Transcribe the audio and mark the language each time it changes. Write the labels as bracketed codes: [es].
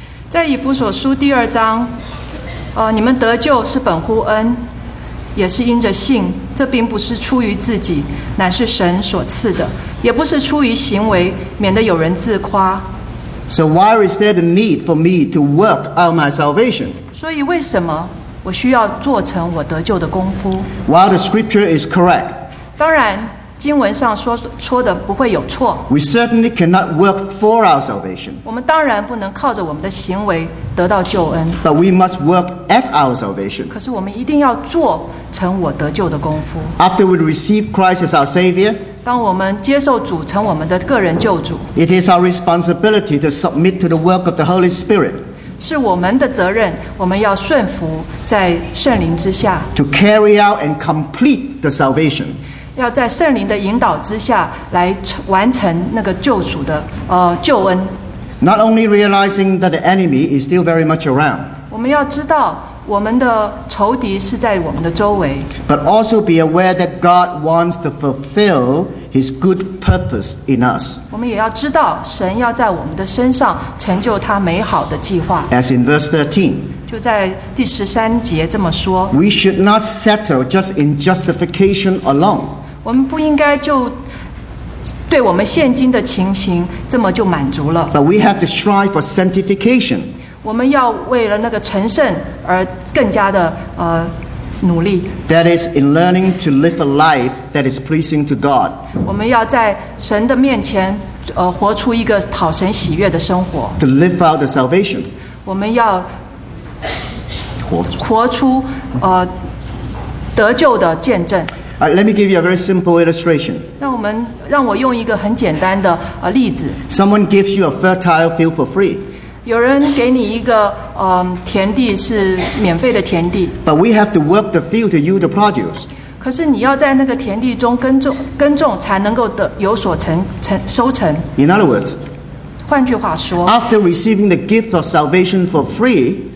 [zh] 在以弗所书第二章，你们得救是本乎恩，也是因着信，这并不是出于自己，乃是神所赐的，也不是出于行为，免得有人自夸。 [en] So why is there the need for me to work out my salvation? [zh] 所以为什么我需要做成我得救的功夫。 [en] While the scripture is correct, [zh] 当然经文上 说的不会有错。 [en] We certainly cannot work for our salvation. [zh] 我们当然不能靠着我们的行为得到救恩。 [en] But we must work at our salvation. [zh] 可是我们一定要做成我得救的功夫。 [en] After we receive Christ as our Savior, [zh] 当我们接受主成我们的个人救主， [en] it is our responsibility to submit to the work of the Holy Spirit. [zh] 是我们的责任，我们要顺服在圣灵之下。 [en] To carry out and complete the salvation. [zh] 要在圣灵的引导之下来完成那个救赎的救恩。 [en] Not only realizing that the enemy is still very much around， [zh] 我们要知道我们的仇敌是在我们的周围。 [en] But also be aware that God wants to fulfill His good purpose in us。 [zh] 我们也要知道神要在我们的身上成就他美好的计划。 [en] As in verse 13。 [zh] 就在第十三节这么说。 [en] We should not settle just in justification alone. [zh] 我们不应该就对我们现今的情形这么就满足了。 [en] But we have to strive for sanctification. [zh] 我们要为了那个成圣而更加的努力。 [en] That is in learning to live a life that is pleasing to God. [zh] 我们要在神的面前活出一个讨神喜悦的生活。 [en] To live out the salvation. [zh] 我们要活出得救的见证。 [en] Let me give you a very simple illustration. [zh] 让我用一个很简单的例子。 [en] Someone gives you a fertile field for free. [zh] 有人给你一个田地是免费的田地。 [en] But we have to work the field to yield the produce. [zh] 可是你要在那个田地中耕种才能够有所收成。 [en] In other words, [zh] 换句话说 [en] ，After receiving the gift of salvation for free.